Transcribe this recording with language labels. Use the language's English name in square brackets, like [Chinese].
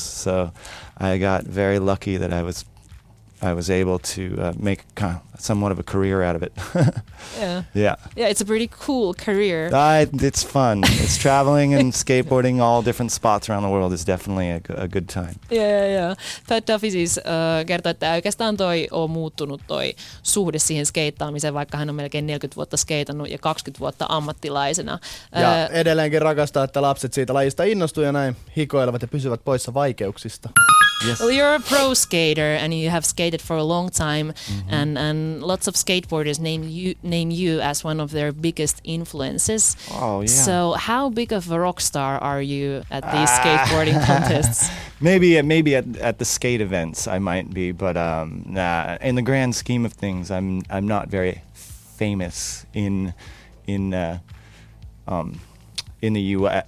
[English] So I got very lucky that I was able to make somewhat of a career out of it. Yeah, it's a pretty cool career. It's fun. It's traveling and skateboarding all different spots around the world is definitely a good time. Yeah. [Finnish] Pat Duffy siis kertoo, että oikeastaan toi on muuttunut toi suhde siihen skeittaamiseen, vaikka hän on melkein 40 vuotta skeitannut ja 20 vuotta ammattilaisena. Ja edelleenkin rakastaa, että lapset siitä lajista innostuu ja näin hikoilevat ja pysyvät poissa vaikeuksista. [English] Yes. Well, you're a pro skater and you have skated for a long time, mm-hmm. and lots of skateboarders name you as one of their biggest influences. Oh yeah. So how big of a rock star are you at these skateboarding contests? maybe at the skate events I might be, but in the grand scheme of things, I'm not very famous in the U.S.